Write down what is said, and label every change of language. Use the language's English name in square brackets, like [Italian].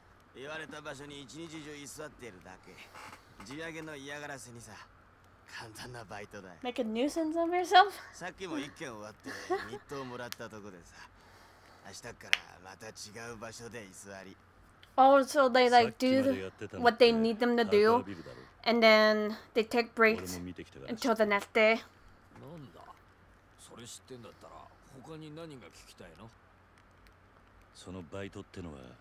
[Japanese] 言われた場所に1日中居座ってるだけ。地上げの嫌がらせにさ、簡単なバイトだよ。 [English] Make a nuisance of yourself? [Japanese] さっきも1件終わって、日当もらったとこでさ。明日からまた違う場所で居座り。 [English] Oh, so they like do what they need them to do, and then they take breaks until the next day. [Japanese] なんだ、それ知ってんだったら他に何が聞きたいの？そのバイトってのは。